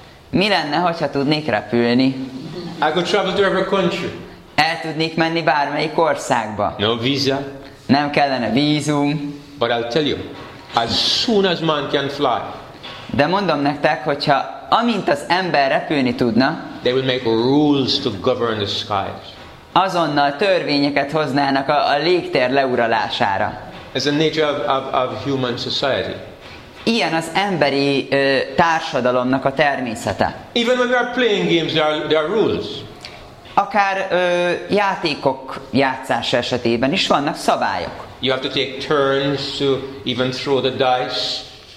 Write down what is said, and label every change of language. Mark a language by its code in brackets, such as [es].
[hu] Mi lenne, hogyha tudnék repülni? [en] I could travel to every country. [hu] El tudnék menni bármelyik országba. [en] No visa. [hu] Nem kellene vízum. [en] But I'll tell you, as soon as man can fly. [hu] De mondom nektek, hogyha amint az ember repülni tudna, [en] they will make rules to govern the skies. [hu] Azonnal törvényeket hoznának a légtér leuralására. [en] It's the nature of human society. [hu] Ilyen az emberi társadalomnak a természete. [en] Even when we are playing games, there are rules. [hu] Akár játékok játszása esetében is vannak szabályok. [en] You have to take turns to even throw the dice.